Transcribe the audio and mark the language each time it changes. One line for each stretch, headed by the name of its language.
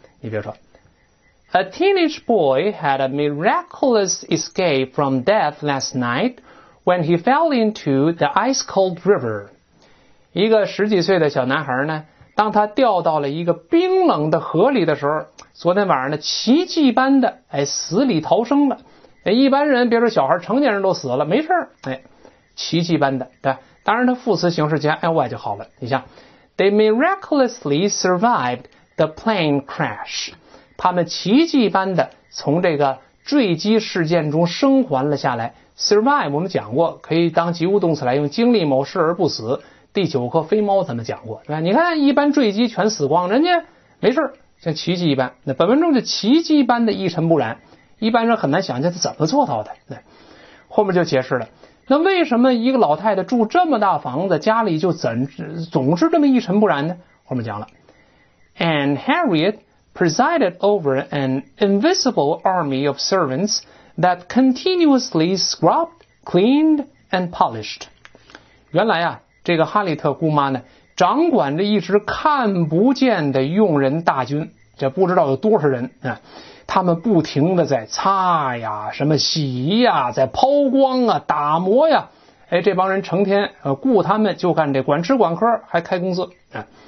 Chinese: 你比如说
English: A teenage boy had a miraculous escape from death last night when he fell into the ice cold river.
Chinese: 一个十几岁的小男孩呢，当他掉到了一个冰冷的河里的时候，昨天晚上呢，奇迹般的死里逃生了。一般人别说小孩，成年人都死了没事，奇迹般的，对，当然他副词形式加 ly 就好了。你像
English: They miraculously survived the plane crash，
Chinese: 他们奇迹般的从这个坠机事件中生还了下来。 Survive 我们讲过可以当及物动词来用，经历某事而不死，第九课飞猫咱们讲过，对吧？你看一般坠机全死光，人家没事，像奇迹一般。那本文中就奇迹般的一尘不染，一般人很难想象他怎么做到的。对，后面就解释了，那为什么一个老太太住这么大房子，家里就总是这么一尘不染呢？后面讲了，
English: And Harriet presided over an invisible army of servants that continuously scrubbed, cleaned, and polished。
Chinese: 原来啊，这个哈里特姑妈呢，掌管着一支看不见的佣人大军，这不知道有多少人啊，他们不停的在擦呀，什么洗呀，在抛光啊，打磨呀，这帮人成天雇他们就干这，管吃管喝，还开工资啊。